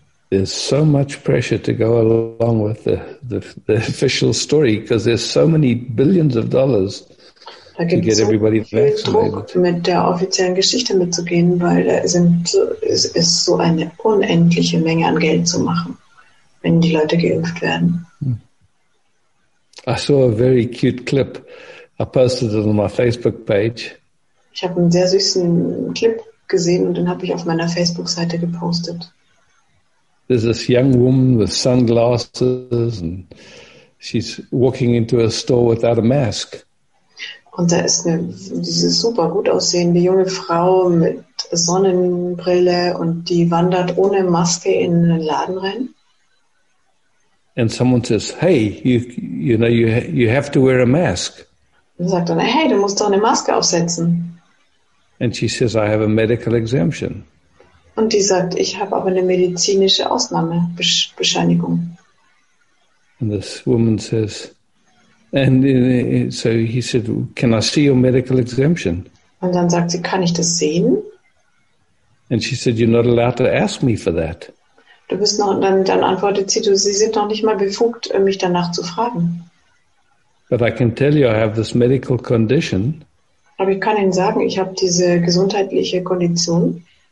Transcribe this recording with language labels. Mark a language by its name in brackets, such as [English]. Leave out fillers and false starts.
[English] There's so much pressure to go along with the official story, because there's so many billions of dollars to get everybody vaccinated. [German] Da gibt es so viel Druck, mit der offiziellen Geschichte mitzugehen, weil es ist so eine unendliche Menge an Geld zu machen, wenn die Leute geimpft werden. [English] I saw a very cute clip. I posted it on my Facebook page. [German] Ich habe einen sehr süßen Clip gesehen und den habe ich auf meiner Facebook-Seite gepostet. [English] There's this young woman with sunglasses and she's walking into a store without a mask. [German] Und da ist diese super gut aussehende junge Frau mit Sonnenbrille und die wandert ohne Maske in einen Laden rein. [English] And someone says, hey, you have to wear a mask. [German] Und sagt dann, hey, du musst doch eine Maske aufsetzen. [English] And she says, I have a medical exemption. [German] Und die sagt, ich habe aber eine medizinische Ausnahmebescheinigung. [English] And this woman says, and so he said, can I see your medical exemption? [German] Und dann sagt sie, kann ich das sehen? [English] And she said, you're not allowed to ask me for that. [German] Du bist noch, dann antwortet sie, sie sind noch nicht mal befugt, mich danach zu fragen. [English] But I can tell you, I have this medical condition. [German] Aber ich kann Ihnen sagen, ich habe diese gesundheitliche Kondition.